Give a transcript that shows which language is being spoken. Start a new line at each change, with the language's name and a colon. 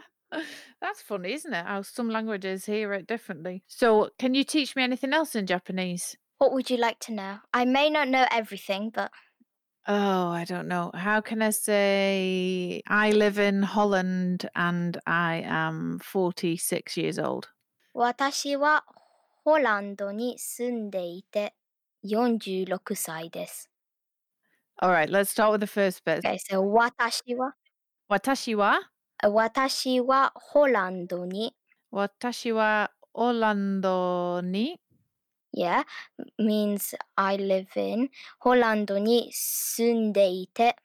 English: That's funny, isn't it? How some languages hear it differently. So can you teach me anything else in Japanese? What would you like to know? I may not know everything, but... Oh, I don't know. How can I say I live in Holland and I am 46 years old?
Japanese: 私はホランドに住んでいて46歳です。
English: All right, let's start with the first bit. Okay, so
Japanese: 私はホランドに。私はオランドに。
English: Yeah, means I live in Hollando
Japanese: ni sunde ite.